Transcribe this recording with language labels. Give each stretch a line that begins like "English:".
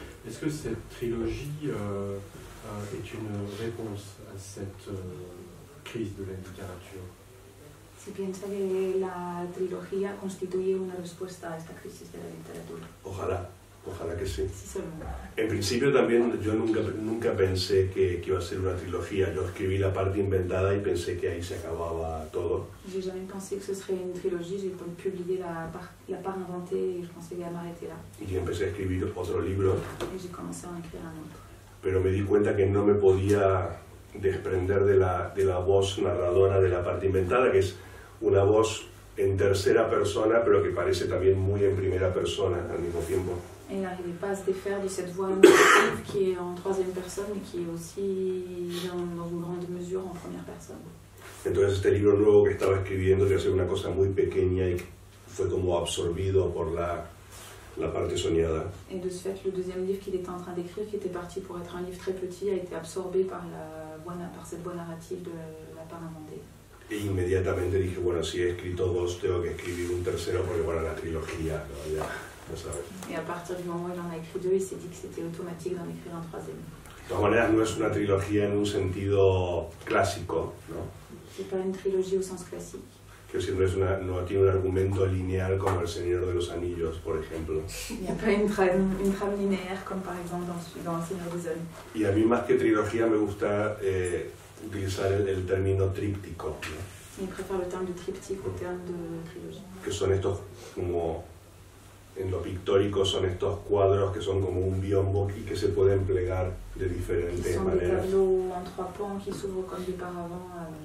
French: Est-ce que cette trilogie est une réponse à cette crise de la littérature?
Spanish: Si piensa que la trilogía constituye una respuesta a esta crisis de la literatura. Ojalá que sí. Sí, solo. En principio también yo nunca pensé que iba a ser una trilogía. Yo escribí la parte inventada y pensé que ahí se acababa todo.
French: Je jamais pensé que ce serait une trilogie. J'ai publié la part inventée et je pensais que
Spanish: ya
French: m'arrêter là.
Spanish: Y empecé a escribir otro libro.
French: Et j'ai commencé à écrire un autre.
Spanish: Pero me di cuenta que no me podía desprender de la voz narradora de la parte inventada, que es una voz en tercera persona pero que parece también muy en primera persona al mismo tiempo.
French: Et n'arrivait pas à se défaire de cette voix narrative qui est en troisième personne et qui est aussi dans une grande mesure en première personne.
Spanish: Entonces este libro nuevo que estaba escribiendo iba a ser una cosa muy pequeña y fue como absorbido por la la parte soñada.
French: Et de ce fait, le deuxième livre qu'il était en train d'écrire, qui était parti pour être un livre très petit, a été absorbé par la voie, par cette voie narrative de la part amendée. Et immédiatement,
Spanish: dije, bueno, si he escrito dos, tengo que escribir un tercero porque bueno, la trilogía, ¿no? Ya, ya sabes.
French: Et à partir du moment où il en a écrit deux, il s'est dit que c'était automatique d'en écrire un troisième.
Spanish: De todas maneras, no es una trilogía en un sentido clásico, ¿no?
French: C'est pas une trilogie au sens classique.
Spanish: Que siempre es una, no tiene un argumento lineal como El Señor de los Anillos, por ejemplo.
French: Il n'y a pas une trame linéaire comme par exemple dans El Señor de los Anillos.
Spanish: Y a mí más que trilogía me gusta utilizar el término tríptico, ¿no?
French: Il préfère le terme de triptyque au terme de trilogie.
Spanish: Que son estos como en lo pictórico son estos cuadros que son como un biombo y que se pueden plegar de diferentes son maneras.
French: Des tableaux en trois pans qui s'ouvrent comme des paravents.